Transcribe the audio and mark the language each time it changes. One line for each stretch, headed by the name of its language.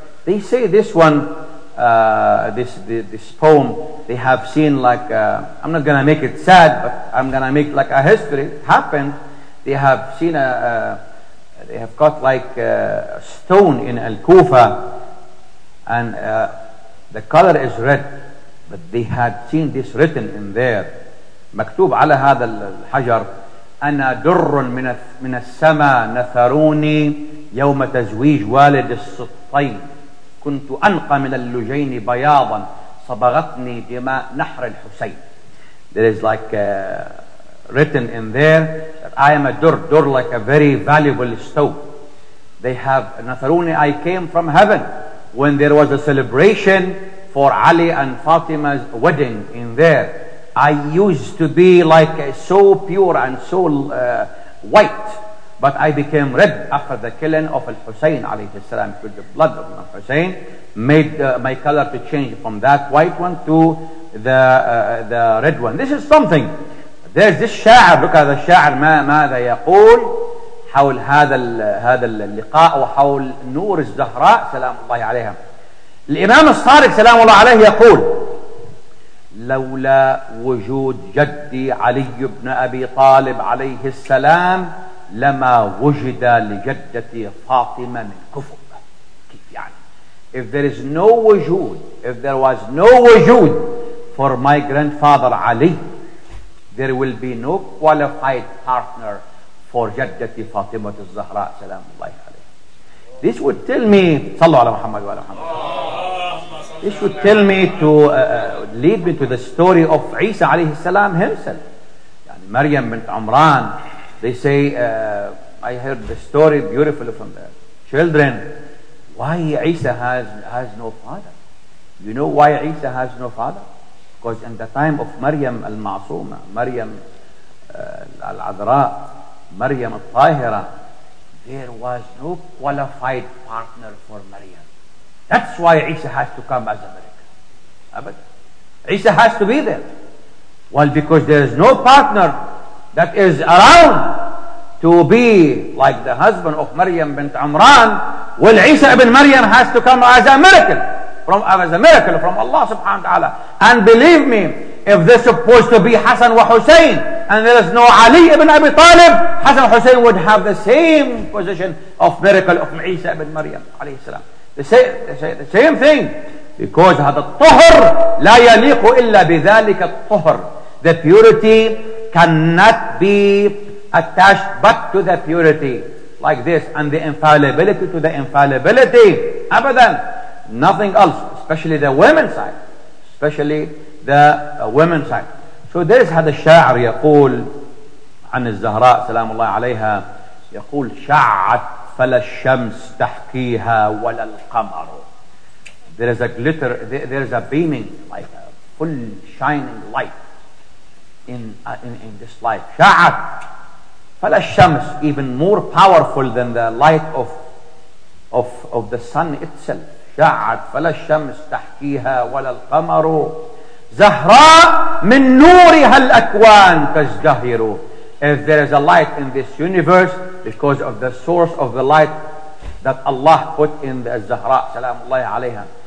English: They say this one, this poem, they have seen like, I'm not going to make it sad, but I'm going to make like a history happened. They have seen they have got like a stone in Al-Kufa, and the color is red, but they had seen this written in there,
Arabic: مكتوب على هذا الحجر أنا در من السماء نثروني يوم تزويج والد السطين كنت أنقى من اللجين بياضا صبغتني دماء نحر الحسين.
English: There is like written in there that I am a dur like a very valuable stone. They have نثروني, I came from heaven when there was a celebration for Ali and Fatima's wedding in there. I used to be like so pure and so white, but I became red after the killing of Al-Husayn alayhi salam, with the blood of Al-Husayn made my color to change from that white one to the red one. This is something. There's this sha'ar, look at the sha'ar,
Arabic: ماذا يقول حول هذا اللقاء وحول نور الزهراء سلام الله عليها. الإمام الصادق سلام الله عليه يقول لولا وجود جدي علي بن أبي طالب عليه السلام لما وجد لجدتي فاطمة من كفر. كيف يعني؟
English: If there is no وجود, if there was no وجود for my grandfather Ali, there will be no qualified partner for
Arabic: جدتي فاطمة الزهراء سلام الله عليه.
English: This would tell me,
Arabic: صلوا على محمد وعلى محمد.
English: This would tell me to lead me to the story of Isa
Arabic: عليه السلام
English: himself.
Arabic: يعني مريم بنت عمران.
English: They say, I heard the story beautiful from the children. Why Isa has no father? You know why Isa has no father? Because in the time of Maryam al-Ma'asuma, Maryam al-Adhra, Maryam al-Tahira, there was no qualified partner for Maryam. That's why Isa has to come as a miracle. Isa has to be there. Well, because there is no partner that is around to be like the husband of Maryam bint Amran. Well, Isa ibn Maryam has to come as a miracle. From Allah subhanahu wa ta'ala. And believe me, if this is supposed to be Hassan wa Hussein, and there is no Ali ibn Abi Talib, Hassan Hussein would have the same position of miracle of Isa ibn Maryam alayhi salam. The same thing, because
Arabic: هذا الطهر لا يليق إلا بذلك الطهر.
English: The purity cannot be attached but to the purity like this, and the infallibility to the infallibility. أبدا, nothing else, especially the women's side, especially the women's side. So there is
Arabic: هذا الشاعر يقول عن الزهراء سلام الله عليها يقول شعت فلا الشمس تحكيها ولا القمر.
English: There is a glitter, there is a beaming, like a full shining light in this light.
Arabic: شعت فلا الشمس,
English: even more powerful than the light of the sun itself.
Arabic: شعت فلا الشمس تحكيها ولا القمر. زهراء من نورها الأكوان تزدهر.
English: If there is a light in this universe, because of the source of the light that Allah put in the Zahra, salam Allah alayha.